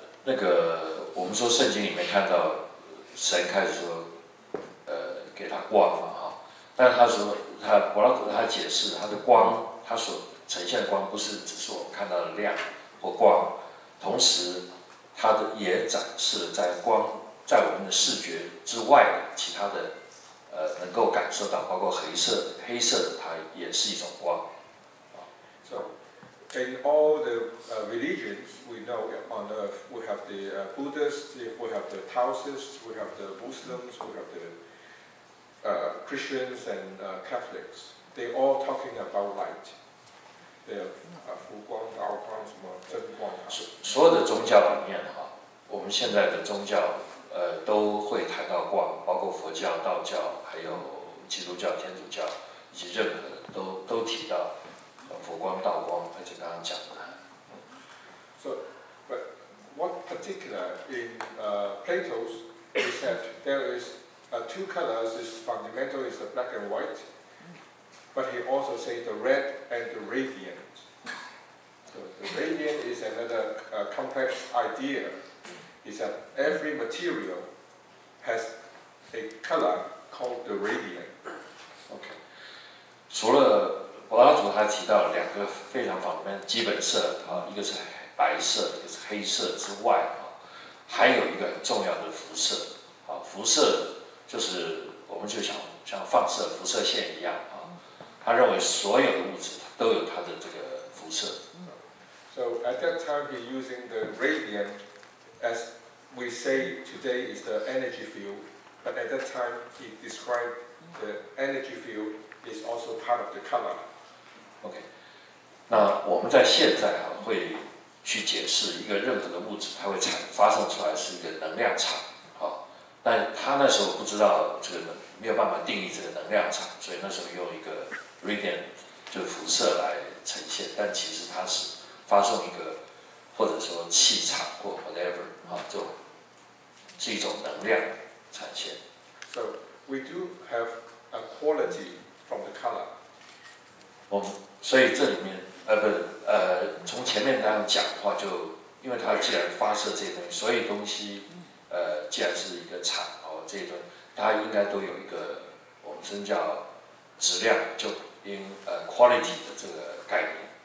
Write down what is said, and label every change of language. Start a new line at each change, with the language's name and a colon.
Chinese: 那个我们说圣经里面看到神开始说，给他光嘛哈，但他说他柏拉图他解释他的光，他所呈现的光不是只是我们看到的亮或光，同时他的也展示了在光在我们的视觉之外的其他的能够感受到，包括黑色的它也是一种光。
English: So, in all the religions we know on earth, we have the Buddhists, we have the Taoists, we have the Muslims, we have the Christians and Catholics. They all talking about light. They have
Chinese: 浮光、道光、什么真光。所有的宗教里面哈，我们现在的宗教都会谈到光，包括佛教、道教，还有基督教、天主教，以及任何都提到。佛光、道光，而且刚刚讲的。
English: So, but what particular in Plato's he said there is two colors. Is fundamental is the black and white, but he also say the red and the radiant. So the radiant is another complex idea. Is that every material has a color called the radiant.
Chinese: Okay. 除了柏拉图他提到两个非常方面基本色，一个是白色，一个是黑色之外，还有一个很重要的辐射，辐射就是我们就想像放射辐射线一样，他认为所有的物质都有它的这个辐射。
English: So at that time he using the radiant as we say today is the energy field, but at that time he described the energy field is also part of the color.
Chinese: OK， 那我们在现在会去解释一个任何的物质，它会发生出来是一个能量场，但他那时候不知道这个没有办法定义这个能量场，所以那时候用一个 radiant 就辐射来呈现，但其实它是发生一个或者说气场或
English: whatever
Chinese: 啊，就是一种能量产现。
English: So we do have a quality from the color.
Chinese: 我们所以这里面从前面那样讲的话，就因为它既然发射这些东西，所以东西既然是一个场哦，这个它应该都有一个我们称叫质量，就因quality 的这个概念。